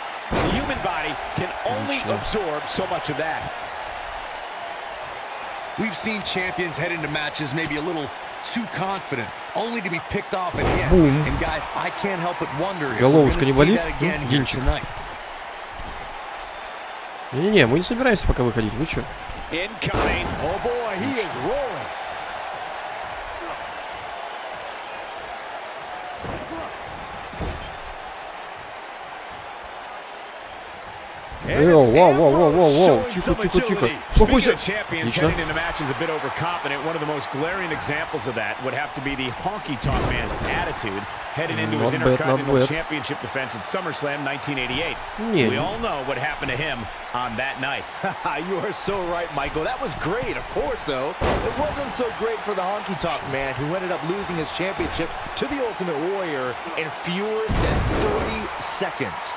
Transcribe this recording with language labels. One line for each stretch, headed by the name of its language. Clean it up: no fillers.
English: The human body can only absorb so much of that. We've seen champions head into matches maybe a little too confident, only to be picked off at the end. Boom. And guys, I can't help but wonder if we're going to see that again here tonight.
Russian: Не-не-не, мы не собираемся пока выходить, вы чё?
English: Incoming. Oh boy, he is rolling.
Russian: Воу-воу-воу-воу-воу-воу, тихо-тихо-тихо, успокойся. Отлично.
English: Speaking of champions heading into matches a bit overconfident, one of the most glaring examples of that would have to be the honky-tonk man's attitude heading into his Intercontinental Championship defense at SummerSlam 1988. We all know what happened to him on that night. You are so right, Michael. That was great, of course, though. It wasn't so great for the honky-tonk man who ended up losing his championship to the Ultimate Warrior in fewer than 30 seconds.